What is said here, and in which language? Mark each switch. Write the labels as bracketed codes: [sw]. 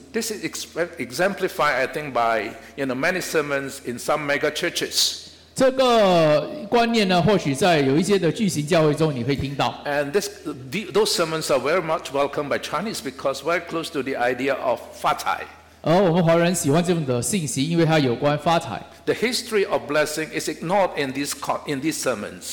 [en] This is exemplified, I think, by many sermons in some mega churches. [zh] 这个观念呢，或许在有一些的巨型教会中你会听到。 [en] And those sermons are very much welcomed by Chinese because very close to the idea of 发财。 [zh] 而我们华人喜欢这种的信息，因为它有关发财。 [en] The history of blessing is ignored in these sermons.